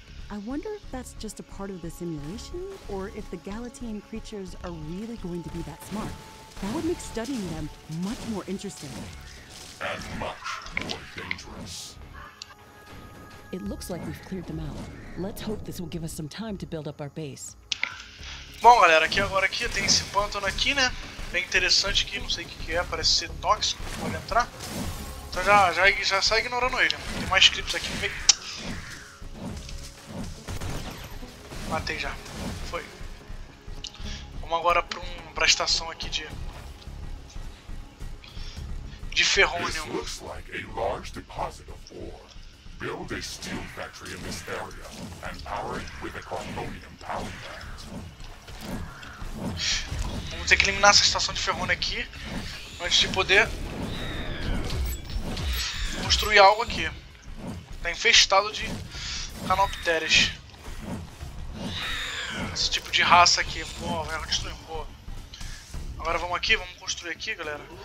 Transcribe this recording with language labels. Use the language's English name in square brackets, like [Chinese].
[English] I wonder if that's just a part of the simulation, or if the Galatean creatures are really going to be that smart. That would make studying them much more interesting. And much more dangerous. It looks like we've cleared them out. Let's hope this will give us some time to build up our base. [Portuguese] Bom, galera, aqui agora aqui tem esse pântano aqui, né? Bem interessante aqui, não sei o que, que é, parece ser tóxico, pode entrar. Então já sai ignorando ele. Tem mais scripts aqui, vem. Matei já. Foi. Vamos agora pra pra estação aqui de ferrônio. Isso parece ser um grande depósito de ouro. [English] Build a steel factory in this area and power it with a carbonium power plant. [Portuguese] Vamos ter que eliminar essa estação de ferrônio aqui antes de poder construir algo aqui. Tá infestado de canopteres. Esse tipo de raça aqui. Boa, vai construir. Boa. Agora vamos aqui, vamos construir aqui, galera.